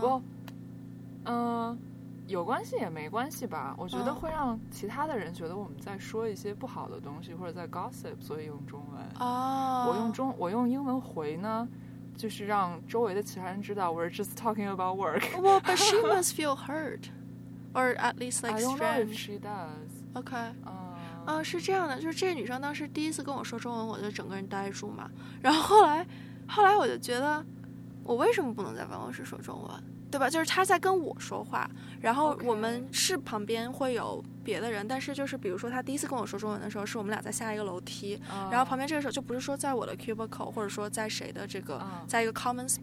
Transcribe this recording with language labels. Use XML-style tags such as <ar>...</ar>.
<zh>不，有关系也没关系吧。我觉得会让其他的人觉得我们在说一些不好的东西，或者在 gossip， 所以用中文。哦。我用英文回呢，就是让周围的其他人知道</zh> <en>we're just talking about work. Well, but she must feel hurt, or at least like strange. I don't know if she does. Okay.</en> <zh>是这样的，就是这个女生当时第一次跟我说中文，我就整个人呆住嘛。然后后来我就觉得，我为什么不能在办公室说中文，对吧？就是她在跟我说话，然后我们是旁边会有别的人，但是就是比如说她第一次跟我说中文的时候，是我们俩在下一个楼梯，然后旁边这个时候就不是说在我的 cubicle， 或者说在谁的这个，在一个 common space。</zh>